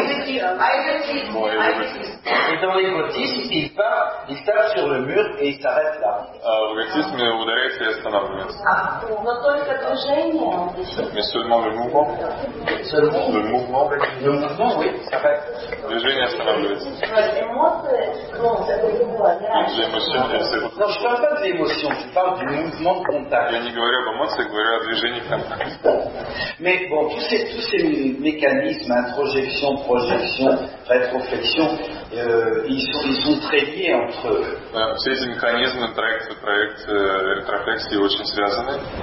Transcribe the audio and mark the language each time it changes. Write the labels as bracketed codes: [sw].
[fr] Et dans l'égotisme, il part sur le mur et il s'arrête là. [ru] В эгоцизме ударяется и останавливается. Но только движение. [fr] Mais seulement le mouvement. Seulement le mouvement. Le mouvement, oui, s'arrête. Движение останавливается. L'émotion, c'est bon. Non, je ne parle pas de l'émotion, je parle du mouvement de contact. [ru] Я не говорю об эмоциях, говорю о движении контакта. [fr] Mais bon, tous ces mécanismes, introjection, projection, rétroflexion, ils sont très liés entre eux. [ru] Все эти механизмы, проекции, ретрофлексии очень связаны.